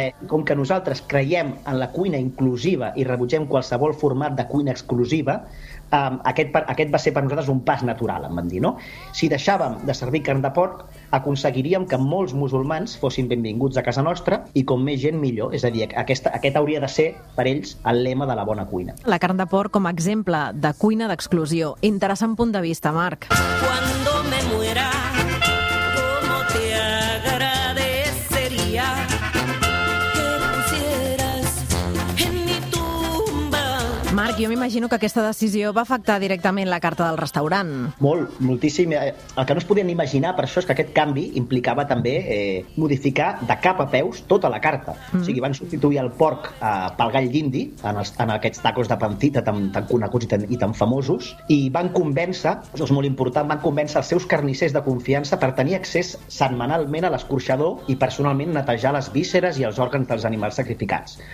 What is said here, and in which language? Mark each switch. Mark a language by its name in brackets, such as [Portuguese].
[Catalan] Com que nosaltres creiem en la cuina inclusiva i rebutgem qualsevol format de cuina exclusiva, aquest va ser per nosaltres un pas natural, em van dir, no? Si deixàvem de servir carn de porc, aconseguiríem que molts musulmans fossin benvinguts a casa nostra i com més gent millor, és a dir, aquest hauria de ser per ells el lema de la bona cuina. La carn de porc com a exemple de cuina d'exclusió. Interessant punt de vista, Marc. [Spanish] Cuando me muera, como te agradecería que pusieras en mi tumba. [Catalan] Marc, jo m'imagino que aquesta decisió va afectar directament la carta del restaurant. Molt, moltíssim. El que no es podien imaginar per això és que aquest canvi implicava també modificar de cap a peus tota la carta. O sigui, van substituir el porc pel gall dindi en aquests tacos de pancita tan coneguts i tan famosos, i van convèncer, això és molt important, van convèncer els seus carnissers de confiança per tenir accés setmanalment a l'escorxador i personalment netejar les vísceres i els òrgans dels animals sacrificats.